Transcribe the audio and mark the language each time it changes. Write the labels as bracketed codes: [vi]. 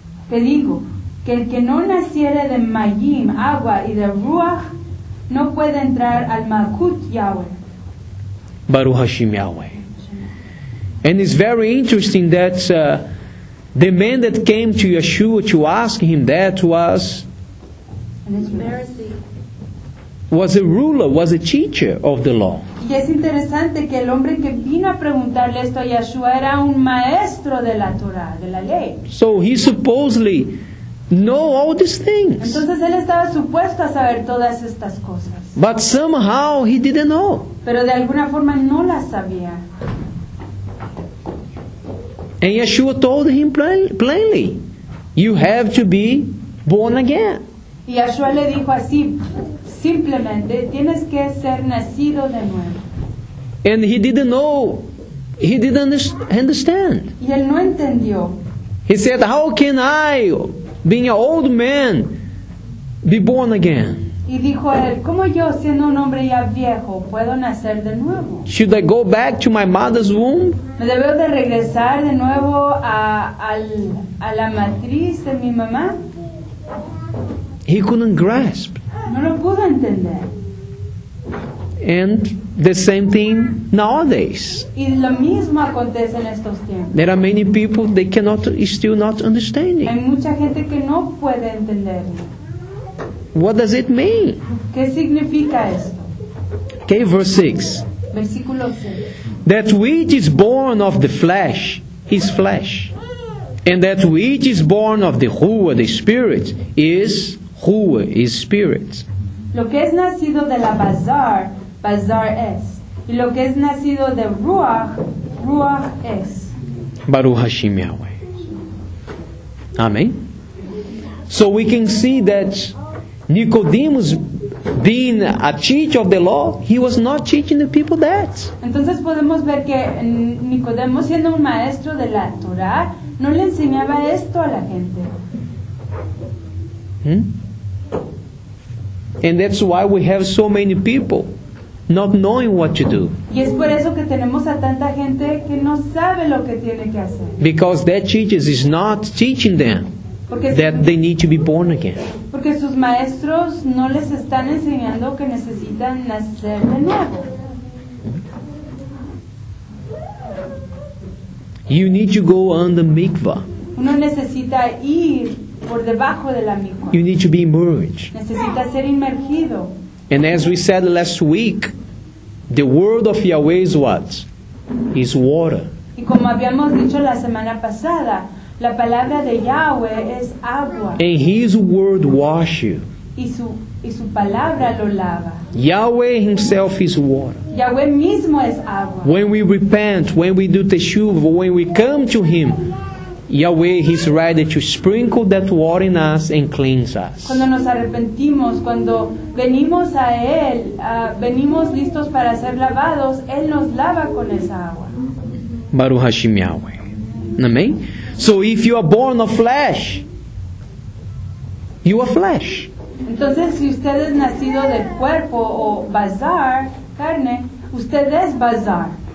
[es] Te digo, que el que no naciere de Mayim, agua y de Ruach, no puede entrar al Mahut Yahweh." [he] Baruch Hashem Yahweh. [en] And it's very interesting that the man that came to Yeshua to ask him that was... And it's Pharisee. Was a ruler, was a teacher of the law. [es] Y es interesante que el hombre que vino a preguntarle esto a Yeshua era un maestro de la Torah, de la ley. [en] So he supposedly know all these things. [es] Entonces él estaba supuesto a saber todas estas cosas. [en] But somehow he didn't know. [es] Pero de alguna forma no la sabía. [en] And Yeshua told him plainly, you have to be born again. [es] Y Yeshua le dijo así, simplemente, tienes que ser nacido de nuevo. [en] And he didn't know, he didn't understand. [es] Y él no entendió. [en] He said, how can I, being an old man, be born again? [es] Y dijo él, ¿cómo yo, siendo un hombre ya viejo, puedo nacer de nuevo? [en] Should I go back to my mother's womb? [es] ¿Me debo de regresar de nuevo a la matriz de mi mamá? [en] He couldn't grasp. [es] No lo pudo entender. [en] And the same thing nowadays. [es] Y lo mismo acontece en estos tiempos. [en] There are many people they cannot still not understand it. [es] Hay mucha gente que no puede entenderlo. [en] What does it mean? [es] ¿Qué significa esto? [en] Okay, verse 6. [es] Versículo 6. [en] That which is born of the flesh is flesh. And that which is born of the Ruach, the Spirit, is Ruach, is Spirit. [es] Lo que es nacido de la Bazar, Bazar es. Y lo que es nacido de Ruach, Ruach es. [he] Baruch Hashem Yahweh. Amen. [en] So we can see that Nicodemus, being a teacher of the law, he was not teaching the people that. [es] Entonces podemos ver que Nicodemo, siendo un maestro de la Torah, no le enseñaba esto a la gente. Hmm? [en] And that's why we have so many people not knowing what to do. [es] Y es por eso que tenemos a tanta gente que no sabe lo que tiene que hacer. [en] Because their teachers is not teaching them. [es] Porque [en] that they need to be born again. [es] Porque sus maestros no les están enseñando que necesitan nacer de nuevo. [en] You need to go under mikvah. [es] Uno necesita ir por debajo de la mikvah. [en] You need to be immersed. [es] Necesita ser inmersido. [en] And as we said last week, the word of Yahweh is what? Is water. [es] Y como habíamos dicho la semana pasada, la palabra de Yahweh es agua. [en] And His word wash you. [es] Y su palabra lo lava. [en] Yahweh Himself is water. [es] Yahweh mismo es agua. [en] When we repent, when we do teshuva, when we come to Him, Yahweh is ready to sprinkle that water in us and cleanse us. [es] Cuando nos arrepentimos, cuando venimos a Él, venimos listos para ser lavados, Él nos lava con esa agua. [he] Baruch Hashem Yahweh. Amen. [en] So if you are born of flesh, you are flesh. [es] Entonces, si usted es nacido de cuerpo o bazar, carne, usted es bazar.